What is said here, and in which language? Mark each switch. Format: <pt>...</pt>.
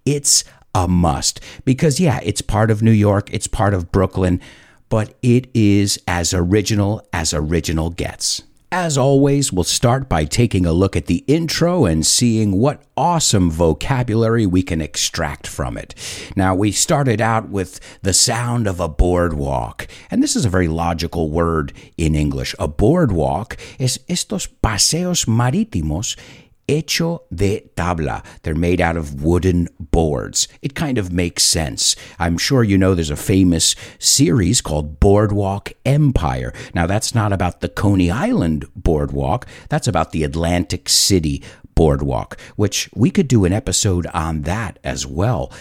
<en>It's a must because, yeah, it's part of New York, it's part of Brooklyn, but it is as original gets. As always, we'll start by taking a look at the intro and seeing what awesome vocabulary we can extract from it. Now, we started out with the sound of a boardwalk, and this is a very logical word in English. A boardwalk is</en> <es>estos paseos marítimos hecho de tabla.</es> <en>They're made out of wooden boards. It kind of makes sense. I'm sure you know there's a famous series called Boardwalk Empire. Now, that's not about the Coney Island boardwalk. That's about the Atlantic City boardwalk, which we could do an episode on that as well.</en>